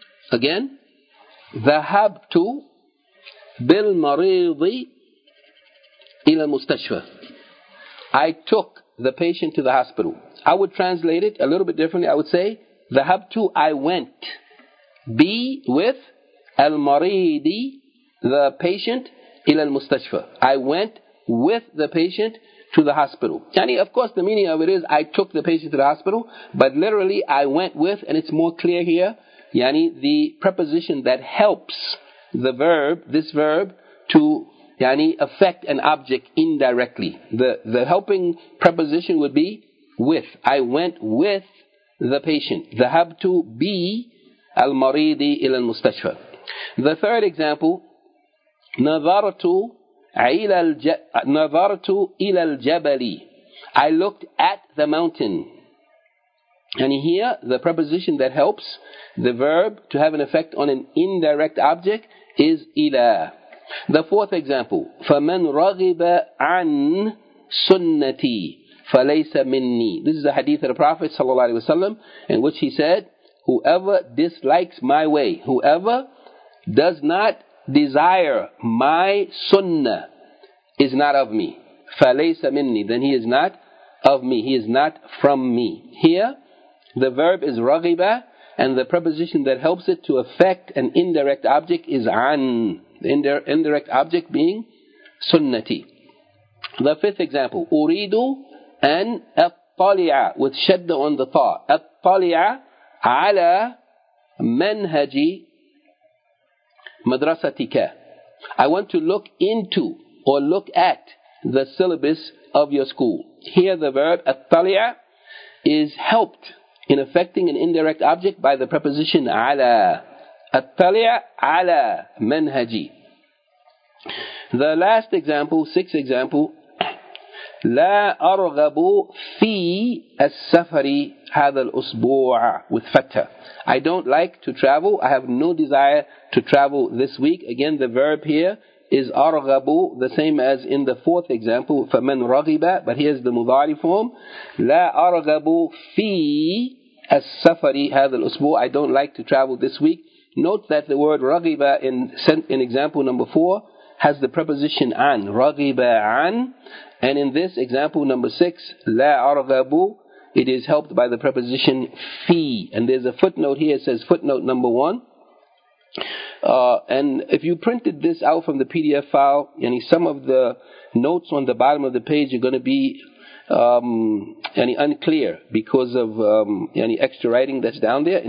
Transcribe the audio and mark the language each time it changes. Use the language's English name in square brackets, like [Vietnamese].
[English] Again, [Arabic] ذهبتُ بِالْمَرِيضِ إِلَى الْمُسْتَشْفَى. [English] I took the patient to the hospital. I would translate it a little bit differently. I would say, ذهبتُ, I went. Be with al-maridi, the patient, [Arabic] ila al-mustashfa. [English] I went with the patient to the hospital. Yani, of course, the meaning of it is I took the patient to the hospital, but literally I went with, and it's more clear here, yani, the preposition that helps the verb, this verb, to yani affect an object indirectly. The helping preposition would be with. I went with the patient. [Arabic] Dhahabtu bi al-maridi ila al-mustashfa. [English] The third example, [Arabic] نظرت إلى الجبل. [English] I looked at the mountain. And here, the preposition that helps the verb to have an effect on an indirect object is إلى. The fourth example, [Arabic] فمن رغب عن سنتي فليس مني. [English] This is a hadith of the Prophet ﷺ in which he said, whoever dislikes my way, whoever does not desire my sunnah, is not of me. [Arabic] فَلَيْسَ مِنِّي. [English] Then he is not of me. He is not from me. Here, the verb is رَغِبَ, and the preposition that helps it to affect an indirect object is عَن. The indirect object being sunnati. The fifth example, [Arabic] أُرِيدُ أَنْ أَطَّلِعَ, [English] with شَدَّ on the ثَاء. [Arabic] أَطَّلِعَ عَلَى مَنْهَجِ مَدْرَسَتِكَ. [English] I want to look into or look at the syllabus of your school. Here the verb attaliya is helped in affecting an indirect object by the preposition ala. [Arabic] Attaliya ala manhaji. [English] The last example, sixth example, [Arabic] لا أرغب في السفر هذا الأسبوع, [English] with فتح. I don't like to travel. I have no desire to travel this week. Again, the verb here is أرغب, the same as in the fourth example, [Arabic] فمن رغب, [English] but here's the مضارع form. [Arabic] لا أرغب في السفر هذا الأسبوع. [English] I don't like to travel this week. Note that the word رغب in example number four has the preposition عن, [Arabic] رغب عن. [English] And in this example number six, [Arabic] لا أرغب, [English] it is helped by the preposition في. And there's a footnote here. It says footnote number one. And if you printed this out from the PDF file, any some of the notes on the bottom of the page are going to be any unclear because of any extra writing that's down there.